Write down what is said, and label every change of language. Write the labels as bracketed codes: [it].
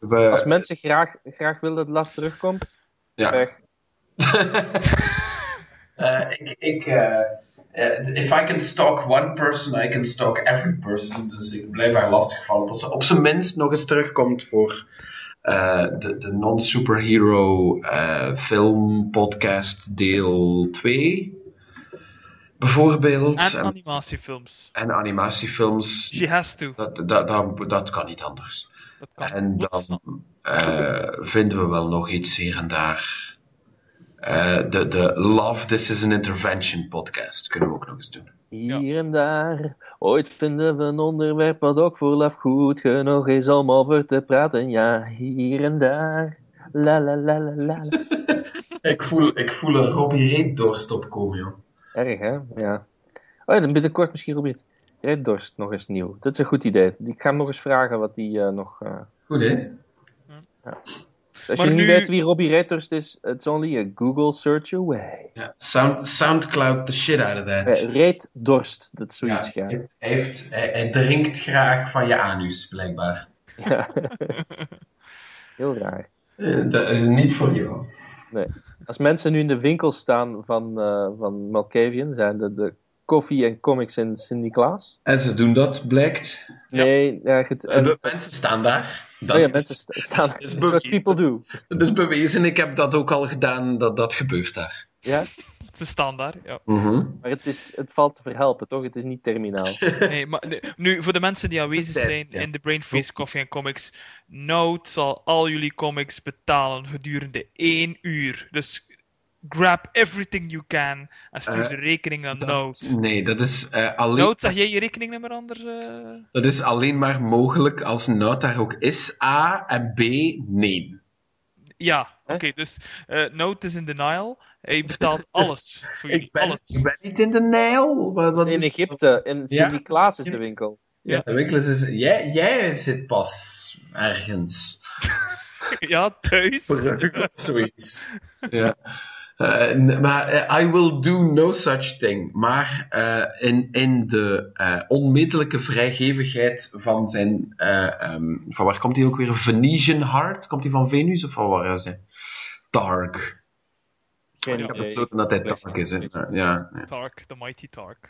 [nl] Als mensen graag willen dat Love terugkomt. Ja. Weg. [en] If I can stalk one person, I can stalk every person. [nl] Dus ik blijf haar lastigvallen tot ze op zijn minst nog eens terugkomt voor de non-superhero film podcast deel 2. Bijvoorbeeld. En animatiefilms. En animatiefilms. [en] She has to. [nl] Dat kan niet anders. Dat kan en goed, dan vinden we wel nog iets hier en daar. De Love This Is An Intervention podcast kunnen we ook nog eens doen. Hier en daar, ooit vinden we een onderwerp wat ook voor Love goed genoeg is om over te praten. Ja, hier en daar, la la la la la. ik voel een Robbie Reddorst opkomen, joh. Erg, hè? Ja. Oh ja, dan binnenkort misschien Robbie Reddorst nog eens nieuw. Dat is een goed idee. Ik ga hem nog eens vragen wat hij nog... Goed, hè? Ja. Dus als maar je niet weet wie Robbie Reddorst is, [en] it's only a Google search away. Yeah, Soundcloud the shit out of that. [nl] Reddorst, dat is zoiets. Ja, hij drinkt graag van je anus, blijkbaar. Ja. Heel raar. Dat is niet voor jou. Nee. Als mensen nu in de winkel staan van Malkavian, zijn de koffie en comics in Sint-Niklaas. En ze doen dat, blijkt. Nee, ja. Mensen staan daar. Dat is [en] people do. [nl] Het is bewezen, ik heb dat ook al gedaan, dat gebeurt daar. Ja? Ze staan daar, ja. Mm-hmm. Maar het valt te verhelpen, toch? Het is niet terminaal. Nee, maar nu, voor de mensen die aanwezig zijn in de Brain Freeze Coffee en Comics, Note zal al jullie comics betalen gedurende 1 uur. Dus [en] grab everything you can [nl] en stuur de rekening aan Note. Nee, dat is alleen... Note, zag jij je rekeningnummer anders? Dat is alleen maar mogelijk als Note daar ook is. A en B, nee. Ja, oké. Okay, dus Note is in denial. Hij betaalt alles voor jullie. Alles. Ik ben niet in denial. Wat in Egypte. In Sint-Niklaas is de winkel. Ja, de winkel is... Jij zit pas ergens. Ja, thuis. Of zoiets. Ja. [en] Maar I will do no such thing. [nl] Maar in de onmiddellijke vrijgevigheid van zijn... van waar komt hij ook weer? Venetian Heart? Komt hij van Venus of van waar is hij? Targ. Ik heb besloten dat hij Targ is. [en] Targ, the mighty Targ.